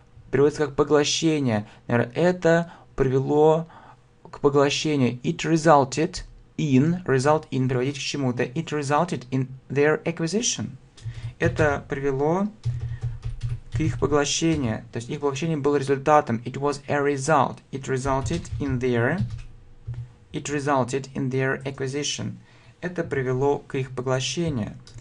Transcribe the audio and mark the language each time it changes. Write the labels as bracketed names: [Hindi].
[Russian] Переводится как поглощение. Наверное, это привело к поглощению. [English] It resulted in, result in, [Russian] приводить к чему-то. [English] It resulted in their acquisition. [Russian] Это привело к их поглощению. То есть их поглощение было результатом. [English] It was a result. It resulted in their, it resulted in their acquisition. [Russian] Это привело к их поглощению.